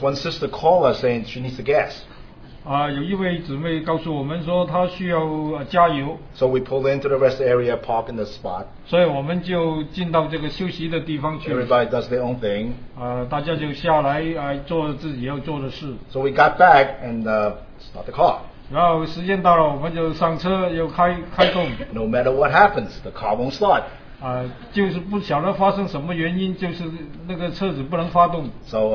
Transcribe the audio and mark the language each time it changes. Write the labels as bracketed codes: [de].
[en] one sister called us saying she needs the gas. [zh] 有一位姊妹告诉我们说她需要加油。So [en] we pulled into the rest area, parked in the spot. [zh] 所以我们就进到这个休息的地方去。Everybody [en] does their own thing. [zh] 大家就下来做自己要做的事。So [en] we got back and start the car. [zh] 然后时间到了，我们就上车又开动。No [en] matter what happens, the car won't start. [zh] 就是不晓得发生什么原因，就是那个车子不能发动。So